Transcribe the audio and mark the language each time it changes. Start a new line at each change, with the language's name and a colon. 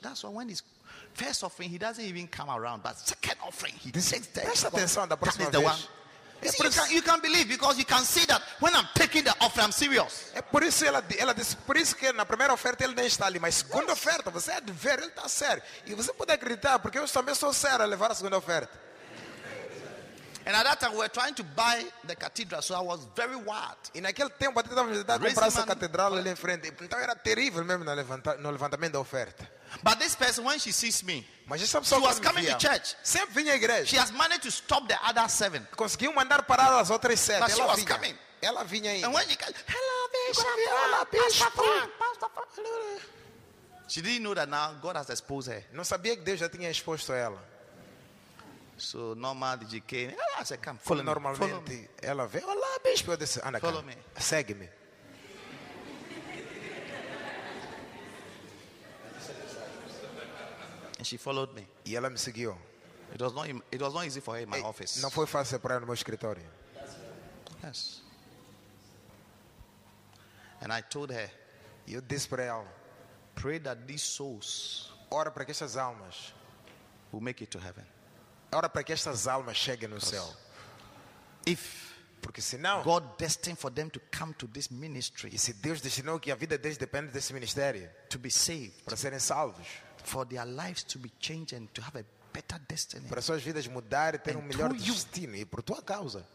English: That's why when his first offering, he doesn't even come around. But second offering, he takes the.
Portuguese: Presta atenção da próxima vez.
English: You can believe because you can see that when I'm taking the offer, I'm serious.
Portuguese: É por isso ela disse, por isso que na primeira oferta ele nem está ali, mas segunda oferta você é de ver, ele está sério. E você pode acreditar porque eu também sou sério a levar a segunda oferta.
English: And at that time, we were trying to buy the cathedral, so I was very wild.
Portuguese: E naquele tempo, até estava a comprar essa catedral ali em frente. Então era terrível mesmo no levantamento da oferta.
English: But this person, when she sees me, she was coming to church.
Portuguese: Sempre vinha à igreja.
English: She has managed to stop the other seven.
Portuguese: Conseguiu mandar parar as outras sete.
English: But she was coming.
Portuguese: Ela vinha aí.
English: And when she comes, hello, Pastor Frank. She didn't know that now God has exposed her.
Portuguese: Não sabia que Deus já tinha exposto ela.
English: So normal, she came. I said, come, follow me.
Portuguese: Normalmente, ela veio. Olá, bispo. Eu disse, anda,
English: follow me.
Portuguese: Segue-me.
English: And she followed me.
Portuguese: E ela me seguiu.
English: It was not easy for her in my office.
Portuguese: Não foi fácil para ela no meu escritório.
English: Yes. And I told her,
Portuguese: eu disse para ela,
English: pray that these souls,
Portuguese: ora para que essas almas,
English: will make it to heaven.
Portuguese: Ora para que estas almas cheguem no céu.
English: If,
Portuguese: porque senão,
English: God destined for them to come to this ministry,
Portuguese: e se Deus destinou que a vida deles depende desse ministério,
English: to be saved,
Portuguese: para serem salvos,
English: for their lives to be changed and to have a better destiny,
Portuguese: para suas vidas mudarem e ter um melhor destino, e por tua causa,